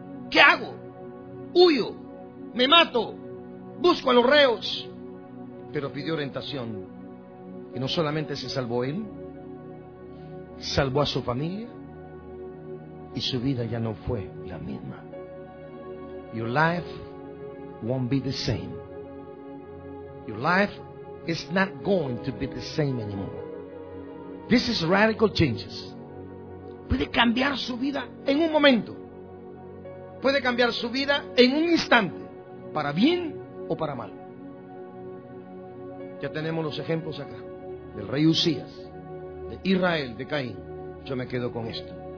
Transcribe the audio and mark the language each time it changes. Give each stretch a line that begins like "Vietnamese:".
Spanish: ¿Qué hago? Huyo, me mato, busco a los reos. Pero pidió orientación y no solamente se salvó él, salvó a su familia y su vida ya no fue la misma.
English: Your life won't be the same. Your life is not going to be the same anymore. This is radical changes.
Spanish: Puede cambiar su vida en un momento. Puede cambiar su vida en un instante, para bien o para mal. Ya tenemos los ejemplos acá. Del rey Usías, de Israel, de Caín. Yo me quedo con esto.